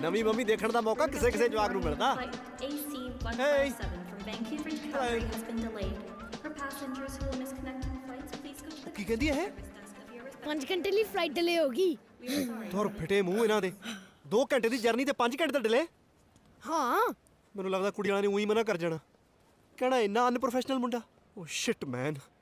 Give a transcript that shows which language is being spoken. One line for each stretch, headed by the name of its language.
Punjabi: ਨਵੀਂ ਮੰਮੀ ਦੇਖਣ ਦਾ ਮੌਕਾ ਕਿਸੇ ਕਿਸੇ ਜਵਾਕ ਨੂੰ ਮਿਲਦਾ।
English: AC 157 from Vancouver to Calgary has been delayed. For passengers who are misconnecting flights, please go to the
Punjabi: ਕੀ ਕਹਿੰਦੀ ਇਹ? 5 ਘੰਟੇ ਲਈ ਫਲਾਈਟ ਡਿਲੇ ਹੋ ਗਈ। ਤੁਹਾਰ ਫਿਟੇ ਮੂੰਹ ਇਹਨਾਂ ਦੇ। 2 ਘੰਟੇ ਦੀ ਜਰਨੀ ਤੇ 5 ਘੰਟੇ ਦਾ ਡਿਲੇ? ਹਾਂ। ਮੈਨੂੰ ਲੱਗਦਾ ਕੁੜੀ ਵਾਲਿਆਂ ਨੇ ਉਹੀ ਮਨਾ ਕਰ ਜਾਣਾ। ਕਹਿਣਾ ਇੰਨਾ ਅਨਪ੍ਰੋਫੈਸ਼ਨਲ ਮੁੰਡਾ।
English: Oh shit man.